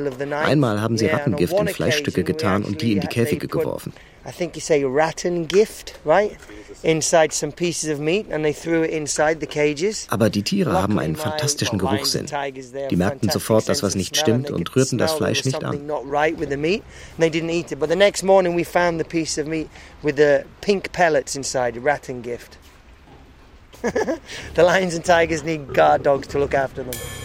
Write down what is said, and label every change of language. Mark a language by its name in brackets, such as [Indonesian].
[German] Einmal haben sie Rattengift in Fleischstücke getan und die in die Käfige geworfen. [English] I think you say Rattengift, right? Inside some pieces of meat and they threw it inside the cages. [German] Aber die Tiere haben einen fantastischen Geruchssinn. Die merkten sofort, dass was nicht stimmt und rührten das Fleisch nicht an. [English] They didn't eat it, but the next morning we found the piece of meat with the pink pellets inside, Rattengift. The lions and tigers need guard dogs to look after them.